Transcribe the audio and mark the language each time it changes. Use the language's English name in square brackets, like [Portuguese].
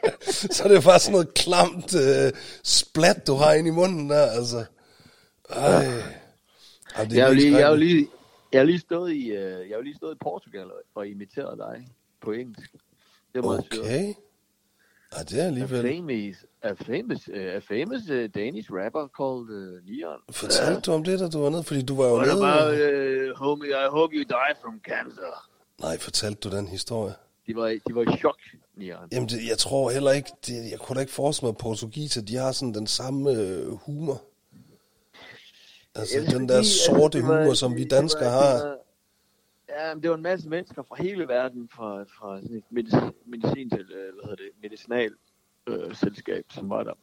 [Danish] Så det er bare sådan noget klamt splat, du har ind i munden der, altså. Jeg har lige stået i Portugal og imiteret dig på engelsk. Det var okay. Ja, det er alligevel... [English] A famous Danish rapper called Neon. [Danish] Fortalte du om det, da du var nede? Fordi du var jo [English] what [Danish] nede... [English] What about, homie, I hope you die from cancer? [Danish] Nej, fortalte du den historie? De var i chok, Neon. Jamen, det, jeg tror heller ikke... Det, jeg kunne da ikke forestille mig, at portugiser, de har sådan den samme humor. Altså, den der sorte humor, som vi danskere har. Ja, det var en masse mennesker fra hele verden, fra medicin til, hvad hedder det, medicinalselskab, som var der.